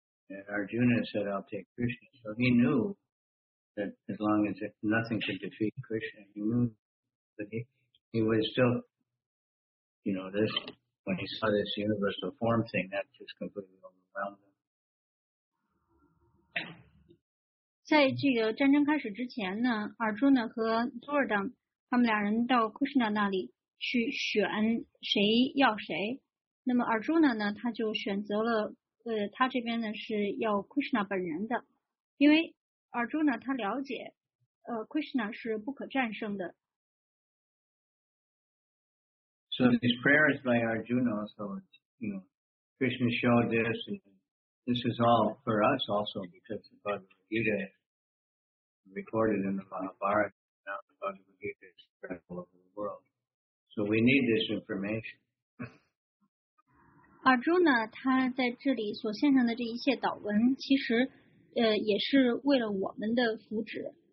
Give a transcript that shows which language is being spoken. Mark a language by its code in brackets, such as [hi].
[en] And Arjuna said, "I'll take Krishna." So he knew that as long as nothing could defeat Krishna, he knew that he was still, you know, this when he saw this universal form thing, that just completely overwhelmed him. [zh] 在这个战争开始之前呢，尔朱呢和多尔等他们两人到 Krishna 那里去选谁要谁。那么尔朱呢他就选择了他这边呢是要 Krishna 本人的。因为尔朱呢他了解Krishna 是不可战胜的。 [en] So these prayers by Arjuna also, you know, Krishna showed this, and this is all for us also because of Bhagavad Gita recorded in the Mahabharata, now the Bhagavad Gita is spread all over the world. So we need this information. [zh] Arjuna, 他在这里所献上的这一切祷文，其实也是为了我们的福祉。